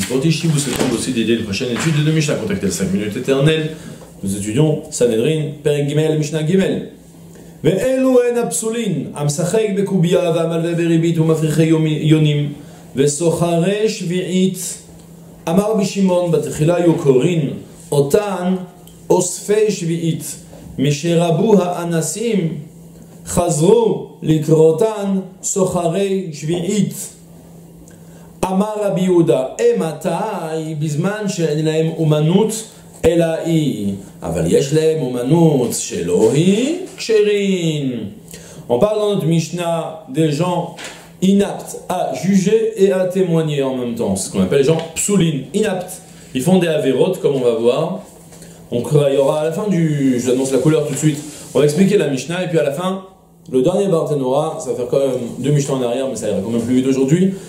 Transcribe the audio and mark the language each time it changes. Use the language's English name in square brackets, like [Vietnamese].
[French] Si vous souhaitez aussi d'aider une prochaine étude de Mishnah, contactez le 5 minutes éternelles. Nous étudions Sanhedrin, Perek Gimel, Mishnah Gimel. [Hebrew] ואלו הן הפסולין, המשחק בקוביה והמלווה בריבית ומפריחי יונים, וסוחרי שביעית, אמר בשמעון בתחילה יוקורין, אותן אוספי שביעית, משרבו האנסים, חזרו לקרותן סוחרי שביעית. אמר רבי יהודה, מתי בזמן שאין להם אומנות, אלא היא, אבל יש להם אומנות שלא היא כשרין. [French] On parle dans notre Mishnah des gens inaptes à juger et à témoigner en même temps. C'est ce qu'on appelle les gens psoulin, inaptes. Ils font des averot, comme on va voir. Donc il y aura à la fin du... Je vous annonce la couleur tout de suite. On va expliquer la Mishnah et puis à la fin, le dernier Bartenora, ça va faire quand même deux Mishnah en arrière, mais ça ira quand même plus vite aujourd'hui.